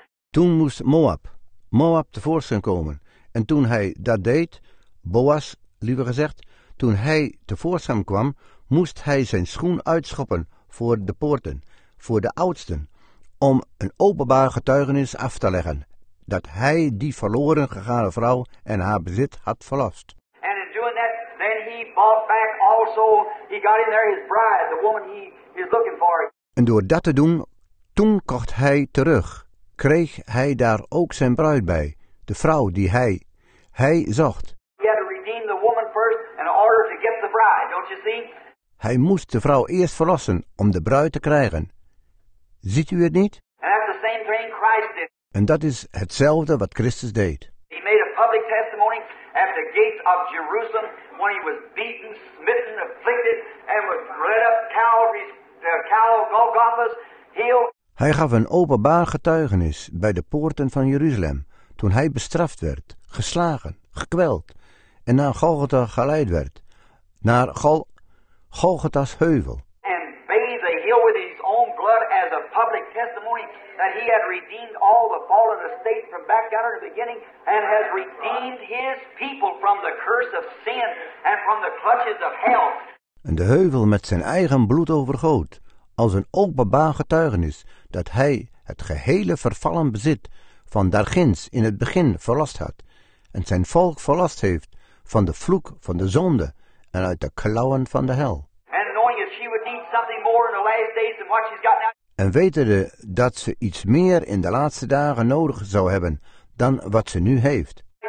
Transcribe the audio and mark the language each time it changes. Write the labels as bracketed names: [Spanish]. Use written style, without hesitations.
[Dutch] Toen moest Moab tevoorschijn komen. En toen hij dat deed, Boaz, liever gezegd, toen hij tevoorschijn kwam, moest hij zijn schoen uitschoppen voor de poorten, voor de oudsten, om een openbaar getuigenis af te leggen. Dat hij die verloren gegaane vrouw en haar bezit had verlost. [English] And in doing that, then he bought back also, he got in there his bride, the woman he is looking for. [Dutch] En door dat te doen, toen kocht hij terug, kreeg hij daar ook zijn bruid bij, de vrouw die hij zocht. [English] He had to redeem the woman first in order to get the bride, don't you see? [Dutch] Hij moest de vrouw eerst verlossen om de bruid te krijgen. Ziet u het niet? [English] And that's the same thing Christ did. [Dutch] En dat is hetzelfde wat Christus deed. [English] He made a public testimony at the gates of Jerusalem when he was beaten, smitten, afflicted and was led up Calvary's Golgotha's hill. [Dutch] Hij gaf een openbaar getuigenis bij de poorten van Jeruzalem toen hij bestraft werd, geslagen, gekweld en naar Golgotha geleid werd, naar Golgotha's heuvel. [English] And bathed the hill with his own blood as a public testimony. That he had redeemed all the fallen estate from back down to the beginning, and has redeemed his people from the curse of sin and from the clutches of hell. [Dutch] En de heuvel met zijn eigen bloed overgoot, als een openbaar getuigenis dat hij het gehele vervallen bezit van daarginds in het begin verlost had, en zijn volk verlost heeft van de vloek van de zonde en uit de klauwen van de hel. [English] And knowing that she would more in the last days than what she's got now. [Dutch] En wetende dat ze iets meer in de laatste dagen nodig zou hebben dan wat ze nu heeft.